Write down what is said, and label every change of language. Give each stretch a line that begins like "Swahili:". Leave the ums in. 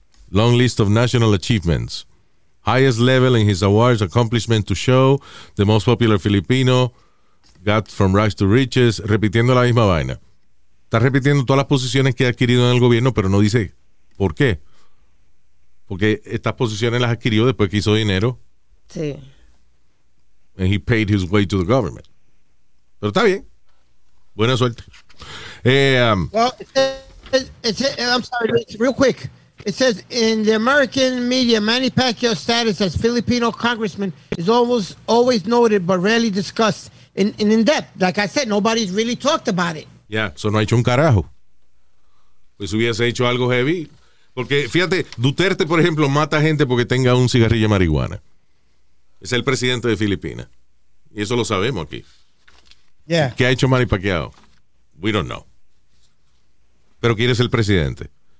English: Long list of national achievements. Highest level in his awards accomplishment to show. The most popular Filipino. Got from rise to riches.
Spanish: Repitiendo la misma vaina está repitiendo todas las posiciones que ha adquirido en el gobierno, pero no dice por qué. Porque estas posiciones las adquirió después de que hizo dinero. Sí.
English: And he paid his way to the government.
Spanish: Pero está bien. Buena suerte. Eh, um,
English: well, it says, it, it says, I'm sorry, it's real quick. It says in the American media, Manny Pacquiao's status as Filipino congressman is almost always noted but rarely discussed in, in depth. Like I said, nobody's really talked about it.
Spanish: Ya. Yeah, eso no ha hecho un carajo. Pues hubiese hecho algo heavy. Porque fíjate, Duterte, por ejemplo, mata gente porque tenga un cigarrillo de marihuana. Es el presidente de Filipinas. Y eso lo sabemos aquí. Yeah. ¿Qué ha hecho Manny
English: We don't know.
Spanish: Pero quiere es el presidente.